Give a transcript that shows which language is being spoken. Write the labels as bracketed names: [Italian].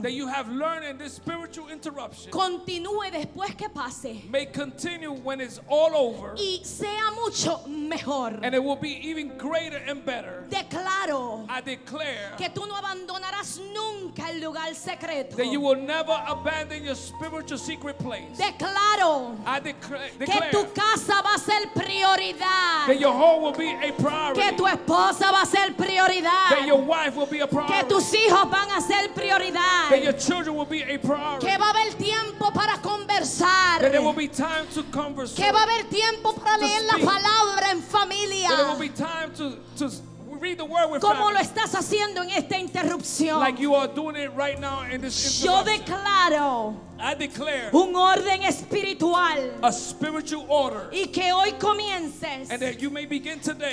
[English] that you have learned in this spiritual interruption, [Spanish] continúe después que pase, [English] may continue when it's all over, [Spanish] y sea mucho mejor, [English] and it will be even greater and better. [Spanish] Declaro, [English] I declare, [Spanish] que tú no abandonarás nunca el lugar secreto, [English] that you will never abandon your spiritual secret place. [Spanish] Declaro, [English] I declare, [Spanish] que tu casa va a ser prioridad, [English] that your home will be a priority, [Spanish] que tu esposa va a ser prioridad, [English] that your wife will be a priority, [Spanish] que tus hijos van a ser prioridad, [English] that your children will be a priority, [Spanish] que va a haber tiempo para conversar, [English] that there will be time to converse, [Spanish] que va a haber tiempo para leer la palabra en familia, [English] that there will be time to read the word with [Spanish] como [English] family, [Spanish] lo estás haciendo en esta interrupción, [English] like you are doing it right now in this interruption. [Spanish] Yo declaro, [English] I declare, [Spanish] un orden espiritual, [English] a spiritual order, [Spanish] y que hoy comiences, [English] and that you may begin today,